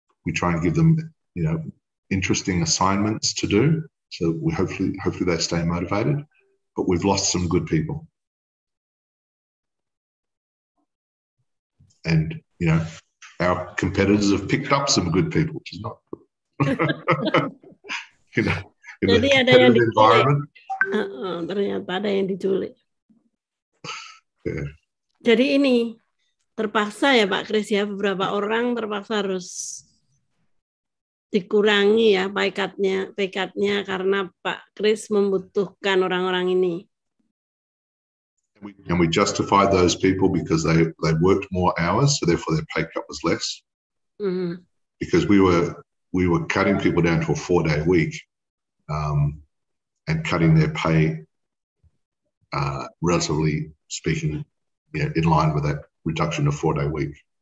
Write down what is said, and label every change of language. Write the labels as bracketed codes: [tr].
[en] We try and give them, you know, interesting assignments to do, so we hopefully they stay motivated. But we've lost some good people. And, you know, our competitors have picked up some good people, which is not good. You know, [id] jadi ada yang diculik. Environment. Ternyata ada yang diculik. [en] Yeah. [id] Jadi ini terpaksa ya Pak Kris ya, beberapa orang terpaksa harus dikurangi ya pay cut-nya karena Pak Kris membutuhkan orang-orang ini. [en] And we justified those people because they worked more hours, so therefore their pay cut was less. Mm-hmm. Because we were cutting people down to a 4-day week, and cutting their pay relatively speaking, you know, in line with that reduction of 4-day week.